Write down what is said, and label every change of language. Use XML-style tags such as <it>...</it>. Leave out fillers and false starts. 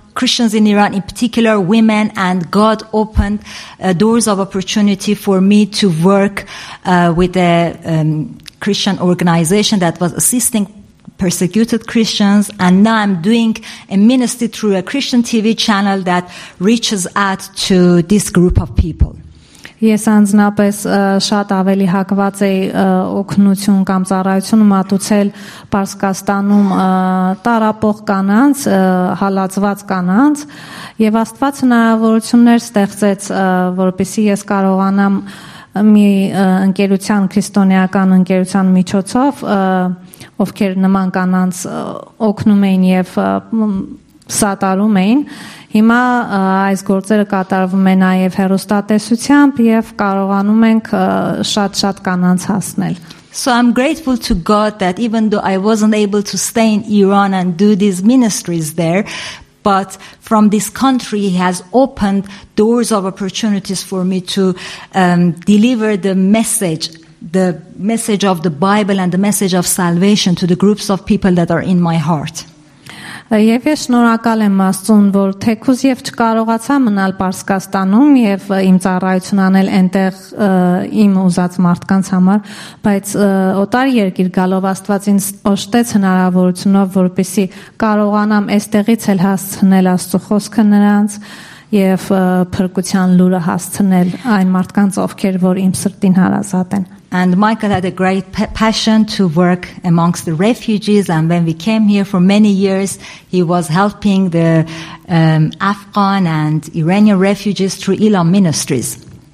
<en>Christians in Iran, in particular women, and God opened doors of opportunity for me to work with a Christian organization that was assisting persecuted Christians, and now I'm doing a ministry through a Christian TV channel that reaches out to this group of people.</en> <hy>Ես անձնապես շատ ավելի հակված էի օգնություն կամ ծառայություն մատուցել Պարսկաստանում տարապող կանանց, հալածված կանանց, եւ Աստված հնարավորություններ ստեղծեց, որպեսզի ես կարողանամ մի ընկերության, քրիստոնեական ընկերության միջոցով, ովքեր նման կանանց օգնում էին եւ սատարում էին, հիմա այս գործերը կատարվում են նաև հեռուստատեսությամբ եւ կարողանում ենք շատ-շատ կանանց հասնել։</hy> <en>So I'm grateful to God that even though I wasn't able to stay in Iran and do these ministries there, but from this country he has opened doors of opportunities for me to deliver the message of the Bible and the message of salvation to the groups of people that are in my heart.</en> <hy>Եվ ես շնորհակալ եմ Աստծուն, որ թեկուզ եւ չկարողացա մնալ Պարսկաստանում եւ իմ ծառայություն անել այնտեղ իմ ուզած մարդկանց համար, բայց օտար երկիր գալով Աստված ինձ օժտեց հնարավորությունով, որպեսզի կարողանամ այստեղից էլ հասցնել Աստծո խոսքը նրանց եւ փրկության լուրը հասցնել այն մարդկանց, ովքեր որ իմ սրտին հարազատ են.</hy> <en>And Michael had a great passion to work amongst the refugees. And when we came here for many years, he was helping the Afghan and Iranian refugees through Elam Ministries.</en>